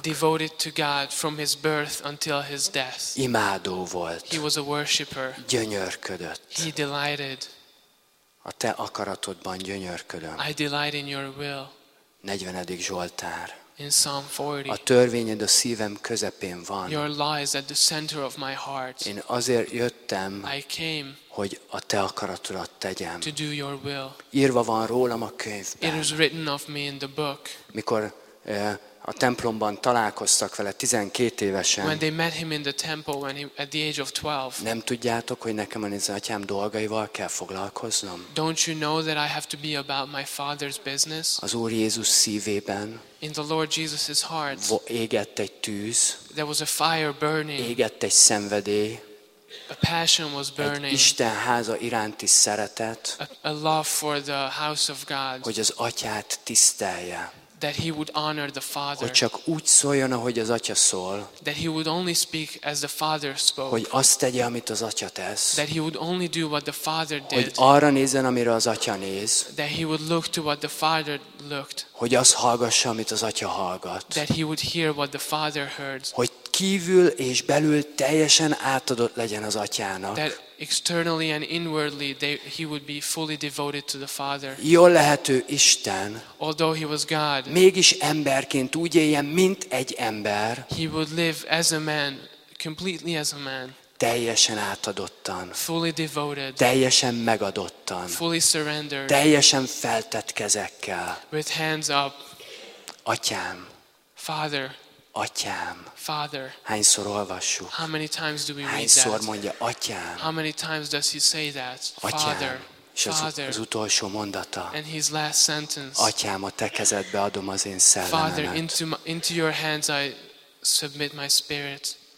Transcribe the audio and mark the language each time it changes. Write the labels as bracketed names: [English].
[English] Devoted to God from his birth until his death. [Hungarian] Imádó volt. [English] He was a worshipper. [Hungarian] Gyönyörködött. [English] He delighted. [Hungarian] A te akaratodban gyönyörködöm. [English] I delight in your will. [Hungarian] 40. Zsoltár. [English] In Psalm 40. [Hungarian] A törvényed a szívem közepén van. [English] Your law is at the center of my heart. [Hungarian] Én azért jöttem, [English] I came, [Hungarian] hogy a te akaratodat tegyem. [English] To do your will. [Hungarian] Írva van rólam a könyvben. [English] It is written of me in the book. [Hungarian] Mikor a templomban találkoztak vele 12 évesen. [English] When they met him in the temple when he at the age of 12. [Hungarian] Nem tudjátok, hogy nekem az atyám dolgaival kell foglalkoznom? [English] Don't you know that I have to be about my father's business? [Hungarian] Az Úr Jézus szívében. [English] In the Lord Jesus's heart. [Hungarian] Égett egy tűz. [English] There was a fire burning. [Hungarian] Égett egy szenvedély. [English] A passion was burning. [Hungarian] Egy Isten háza iránti szeretet. [English] A love for the house of God. [Hungarian] Hogy az atyát tisztelje. [English] that he would honor the father. [Hungarian] Hogy csak úgy szóljon, ahogy az atya szól. [English] That he would only speak as the father spoke. [Hungarian] Hogy azt tegye, amit az atya tesz. [English] That he would only do what the father did. [Hungarian] Hogy arra nézzen, amire az atya néz. [English] That he would look to what the father looked. [Hungarian] Hogy azt hallgassa, amit az atya hallgat. [English] That he would hear what the father heard. [Hungarian] Hogy kívül és belül teljesen átadott legyen az atyának. [English] That externally and inwardly he would be fully devoted to the father. [Hungarian] Jól lehető Isten. [English] Although he was God. [Hungarian] Mégis emberként úgy éljen, mint egy ember. [English] He would live as a man, completely as a man. [Hungarian] Teljesen átadottan. [English] Fully devoted. [Hungarian] Teljesen megadottan. [English] Fully surrendered. [Hungarian] Teljesen feltett kezekkel. [English] With hands up. [Hungarian] Atyám. [English] Father. [Hungarian] Atyám. [English] Father. [Hungarian] Hányszor olvassuk? [English] How many times do we read that? [Hungarian] Hányszor mondja atyám? [English] How many times does he say that? [Hungarian] Atyám. [English] Father. [Hungarian] És az utolsó mondata. [English] And his last sentence. [Hungarian] Atyám, a te kezedbe adom az én szellememet. [English] Father, into your hands I submit my spirit.